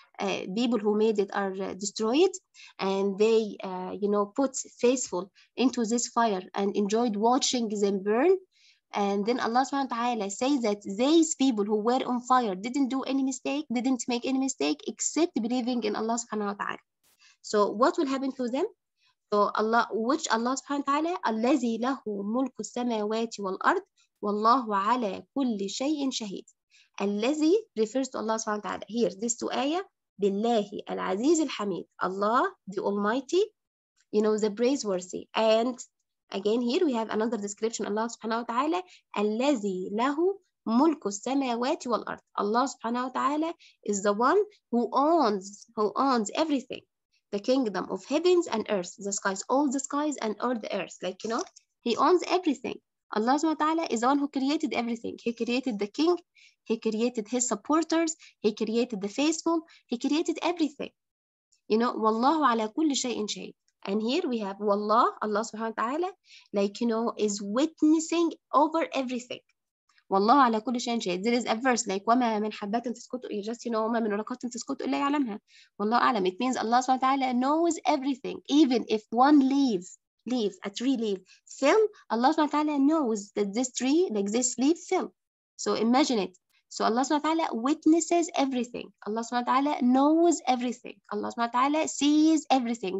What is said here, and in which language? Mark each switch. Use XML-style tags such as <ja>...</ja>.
<en>People who made it are destroyed, and they, you know, put faithful into this fire and enjoyed watching them burn. And then Allah subhanahu wa ta'ala says that these people who were on fire didn't do any mistake, didn't make any mistake except believing in Allah subhanahu wa ta'ala. So what will happen to them? So Allah, which Allah subhanahu wa ta'ala,</en> <ar>الَّذِي لَهُ مُلْكُ السَّمَاوَاتِ وَالْأَرْضِ وَاللَّهُ عَلَى كُلِّ شَيْءٍ شَهِيدٍ.</ar> <en>الَّذِي refers to Allah subhanahu wa ta'ala. Here, these two ayah,</en> <ar>بِاللَّهِ الْعَزِيزِ الْحَمِيدِ,</ar> <en>Allah, the Almighty, you know, the praiseworthy. And again, here we have another description, Allah subhanahu wa ta'ala,</en> <ar>الَّذِي لَهُ مُلْكُ السَّمَاوَاتِ وَالْأَرْضِ.</ar> <en>Allah subhanahu wa ta'ala is the one who owns everything, the kingdom of heavens and earth, the skies, all the skies and all the earth. Like, you know, he owns everything. Allah subhanahu wa ta'ala is the one who created everything. He created the king. He created his supporters. He created the faithful. He created everything.</en> <ar>You know, وَاللَّهُ عَلَى كُلِّ شَيْءٍ شَهِيدٍ.</ar> <en>And here we have Wallah, Allah subhanahu wa ta'ala, like, you know, is witnessing over everything.</en> <ar>وَاللَّهُ عَلَى كُلِّ شَيْءٍ شَهِيدٍ.</ar> <en>There is a verse like,</en> <ar>وَمَا مِنْ حَبَّةٍ تَسْكُتُ,</ar> <en>you just, you know,</en> <ar>وَمَا مِنْ وَرَقَةٍ تَسْكُتُ إِلَّا يَعْلَمْهَا. والله أعلم.</ar> <en>It means Allah subhanahu wa ta'ala knows everything, even if one leaves, a tree leaf fell, Allah subhanahu wa ta'ala knows that this tree, like this leaf fell. So imagine it. So Allah subhanahu wa ta'ala witnesses everything. Allah subhanahu wa ta'ala knows everything. Allah subhanahu wa ta'ala sees everything.</en>